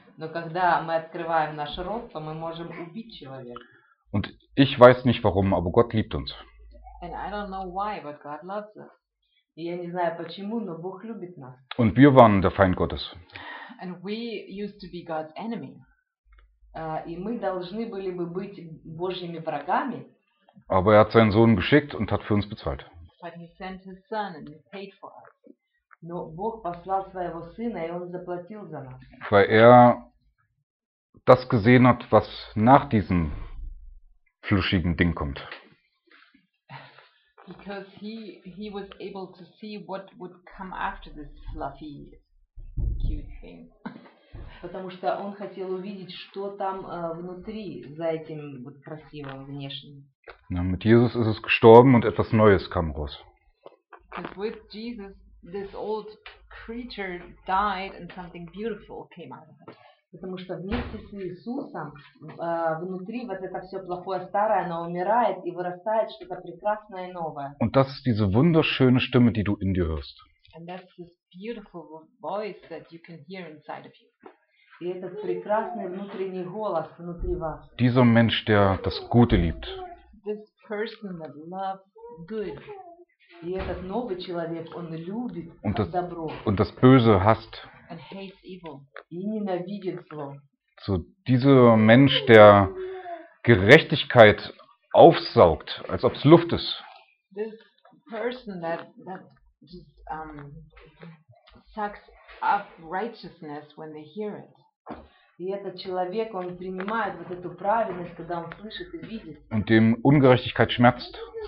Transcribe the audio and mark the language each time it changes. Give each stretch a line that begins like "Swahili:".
Russian: Но когда мы открываем наш рот, то мы можем убить человека.
German: Und ich weiß nicht warum, aber Gott liebt uns.
English: And I don't know why, but God loves us.
Russian: И я не знаю почему, но Бог любит нас.
German: Und wir waren der Feind Gottes.
English: And we used to be God's enemy.
Russian: И мы должны были бы быть Божьими врагами.
German: Aber er hat seinen Sohn geschickt und hat für uns bezahlt.
English: But he sent his son and he paid for us.
Russian: Но Бог послал своего сына, и он заплатил за нас.
German: Weil er das gesehen hat, was nach diesem fluschigen Ding kommt.
English: Because he was able to see what would come after this fluffy cute thing.
Russian: Потому что он хотел увидеть, что там внутри за этим вот красивым внешним.
German: Ja, mit Jesus ist es gestorben und etwas Neues kam raus.
English: Because with Jesus this old creature died and something beautiful came out of it.
Russian: Потому что вместе с Иисусом внутри вот это все плохое старое, оно умирает и вырастает что-то прекрасное и новое.
German: Und das ist diese wunderschöne Stimme, die du in dir hörst.
English: And that's this beautiful voice that you can hear inside of you.
Russian: И этот прекрасный внутренний голос внутри вас.
German: Dieser Mensch, der das Gute liebt.
English: This person that loves good.
Russian: И этот новый человек, он любит добро.
German: Und das Böse hasst.
English: And hates evil.
Russian: И ненавидит зло.
German: So, dieser Mensch, der Gerechtigkeit aufsaugt, als ob es Luft ist.
English: This person that just sucks up righteousness when they hear it.
Russian: И этот человек, он принимает вот эту праведность, когда он слышит и видит.
German: Und dem Ungerechtigkeit schmerzt.